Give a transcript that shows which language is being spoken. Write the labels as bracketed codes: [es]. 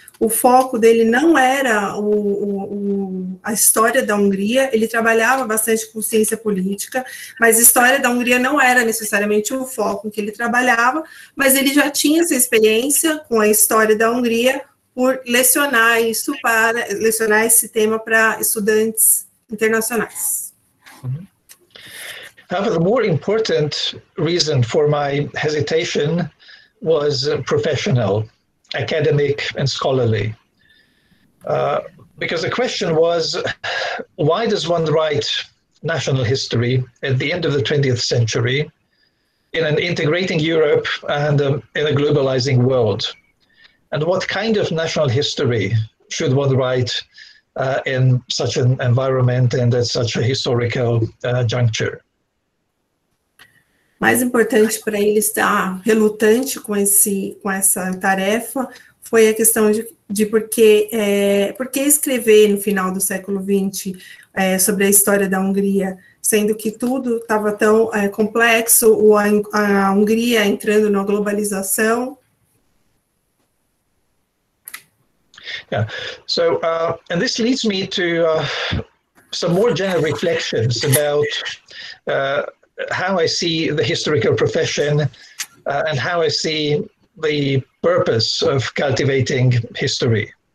[pt] O foco dele não era a história da Hungria, ele trabalhava bastante com ciência política, mas a história da Hungria não era necessariamente o foco em que ele trabalhava, mas ele já tinha essa experiência com a história da Hungria por lecionar esse tema para estudantes internacionais. Uhum. [en] The more important reason for my hesitation was professional, academic and scholarly. Because the question was, why does one write national history at the end of the 20th century in an integrating Europe and in a globalizing world? And what kind of national history should one write in such an environment and at such a historical juncture? [pt] Mais importante para ele estar relutante com essa tarefa foi a questão de por que escrever no final do século XX sobre a história da Hungria, sendo que tudo estava tão complexo, a Hungria entrando na globalização. [en] Yeah. So, and this leads me to some more general reflections about how I see the historical profession and how I see the purpose of cultivating history.